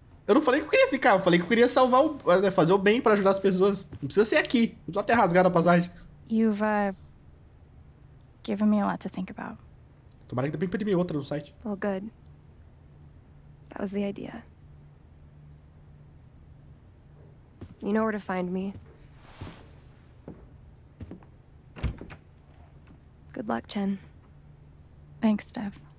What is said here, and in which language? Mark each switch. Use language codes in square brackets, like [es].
[pt] Eu não falei que eu queria ficar, eu falei que eu queria salvar o, né, fazer o bem pra ajudar as pessoas. Não precisa ser aqui. Não precisa ter rasgado a passagem. [en] You've given me a lot to think about. [pt] Tomara que dê pra imprimir outra no site. [en] Well, good. That was the idea. You know where to find me. Good luck, Chen. Thanks, Steph.